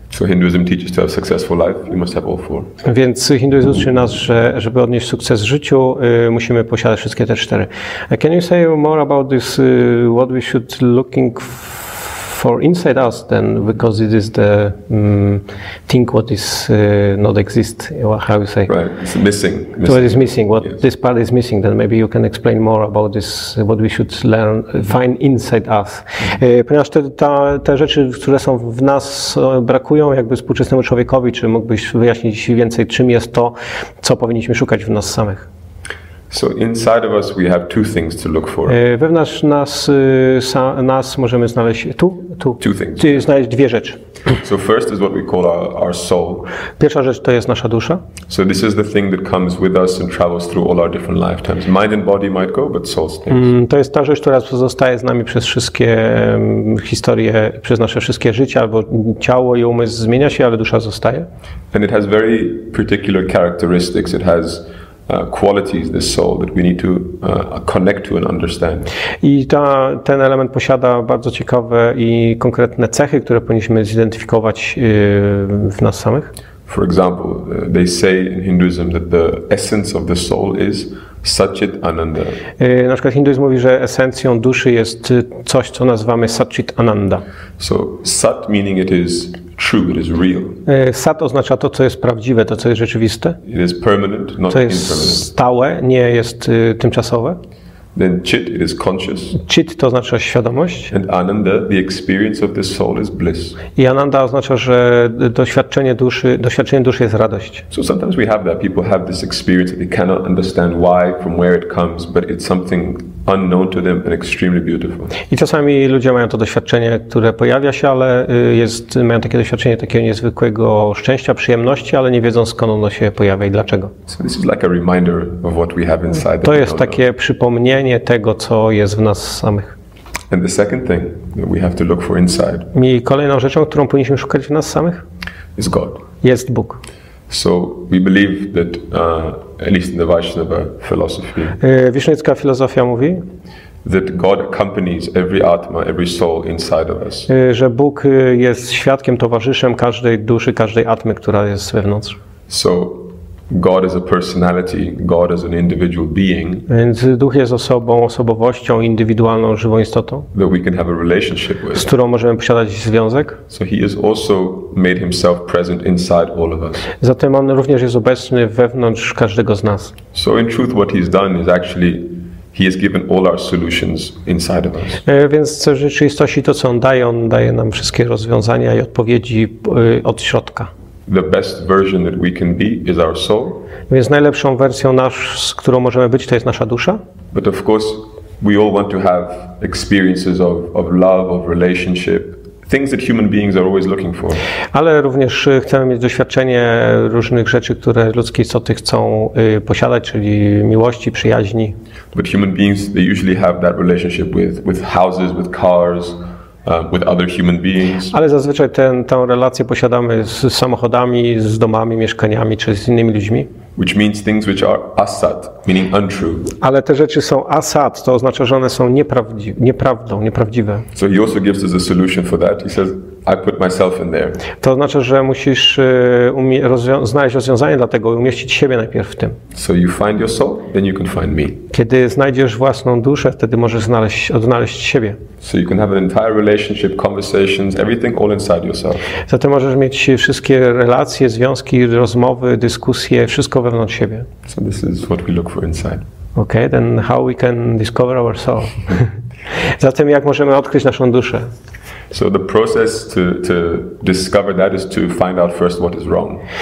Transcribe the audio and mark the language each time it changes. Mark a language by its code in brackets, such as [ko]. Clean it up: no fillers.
[en] So Hinduism teaches to have a successful life, you must have all four. [pl] Więc hinduizm uczy nas, że żeby odnieść sukces w życiu, musimy posiadać wszystkie te cztery. [en] Can you say more about this, what we should looking for inside us then, because it is the thing what is not exist, how you say? Right, it's missing. So what is missing, what yes. This part is missing, then maybe you can explain more about this, what we should learn, find inside us. [pl] Ponieważ te rzeczy, które są w nas, brakują jakby współczesnemu człowiekowi, czy mógłbyś wyjaśnić więcej, czym jest to, co powinniśmy szukać w nas samych? [en] So inside of us we have two things to look for. [pl] Wewnątrz nas nas możemy znaleźć tu. [en] Two things. [pl] Znaleźć dwie rzeczy. [en] So first is what we call our soul. [pl] Pierwsza rzecz to jest nasza dusza. [en] So this is the thing that comes with us and travels through all our different lifetimes. Mind and body might go, but soul stays. [pl] To jest ta rzecz, która pozostaje z nami przez wszystkie historie, przez nasze wszystkie życia, albo ciało i umysł zmienia się, ale dusza zostaje. [en] And it has very particular characteristics. It has qualities this soul that we need to connect to and understand. [pl] I ten element posiada bardzo ciekawe i konkretne cechy, które powinniśmy zidentyfikować w nas samych. [en] For example, they say in Hinduism that the essence of the soul is Satchit Ananda. [pl] Na przykład hinduizm mówi, że esencją duszy jest coś, co nazywamy Satchit Ananda. [en] So Sat meaning it is true, it is real. [pl] Sat oznacza to, co jest prawdziwe, to, co jest rzeczywiste. [en] It is permanent, not impermanent. [pl] To jest stałe, nie jest tymczasowe. [en] Then chit, it is conscious. [pl] Chit to oznacza świadomość. [en] And ananda, the experience of the soul is bliss. [pl] I ananda oznacza, że doświadczenie duszy jest radość. [en] So sometimes we have that. People have this experience that they cannot understand why, from where it comes, but it's something unknown to them and extremely beautiful. [pl] I czasami ludzie mają to doświadczenie, które pojawia się, ale mają takie doświadczenie takiego niezwykłego szczęścia, przyjemności, ale nie wiedzą, skąd ono się pojawia i dlaczego. [en] So this is like a reminder of what we have inside. [pl] To jest takie przypomnienie tego, co jest w nas samych. [en] And the second thing that we have to look for inside. [pl] I kolejną rzeczą, którą powinniśmy szukać w nas samych, [en] is God. [pl] Jest Bóg. [en] So we believe that at least in the Vaishnava philosophy. [pl] Vaishnavska filozofia mówi, [en] that God accompanies every atma, every soul inside of us. [pl] Że Bóg jest świadkiem, towarzyszem każdej duszy, każdej atmy, która jest wewnątrz. [en] So God is a personality, God is an individual being. [pl] Więc Duch jest osobą, osobowością, indywidualną, żywą istotą. [en] That we can have a relationship with. [pl] Z którą możemy posiadać związek. [en] So he is also made himself present inside all of us. [pl] Zatem on również jest obecny wewnątrz każdego z nas. [en] So in truth what he's done is actually he has given all our solutions inside of us. [pl] Więc w rzeczywistości to, co on daje nam wszystkie rozwiązania i odpowiedzi od środka. [en] The best version that we can be is our soul. [pl] Więc najlepszą wersją z którą możemy być, to jest nasza dusza. [en] But of course, we all want to have experiences of love, of relationship, things that human beings are always looking for. [pl] Ale również chcemy mieć doświadczenie różnych rzeczy, które ludzkie istoty chcą posiadać, czyli miłości, przyjaźni. [en] But human beings, they usually have that relationship with houses, with cars. With other human beings. [pl] Ale zazwyczaj tę relację posiadamy z samochodami, z domami, mieszkaniami czy z innymi ludźmi. [en] Which means things which are asat, meaning untrue. [pl] Ale te rzeczy są asat, to oznacza, że one są nieprawdziwe. [en] So he also gives us a solution for that. He says, I put myself in there. [pl] To znaczy, że musisz znaleźć rozwiązanie dla tego i umieścić siebie najpierw w tym. [en] So you find your soul, then you can find me. [pl] Kiedy znajdziesz własną duszę, wtedy możesz odnaleźć siebie. [en] So you can have an entire relationship, conversations, everything all inside yourself. [pl] Zatem możesz mieć wszystkie relacje, związki, rozmowy, dyskusje, wszystko wewnątrz siebie. [en] So this is what we look for inside. Okay, then how we can discover our soul? [pl] Zatem jak możemy odkryć naszą duszę? [en] So the process to discover that is to find out first what is wrong.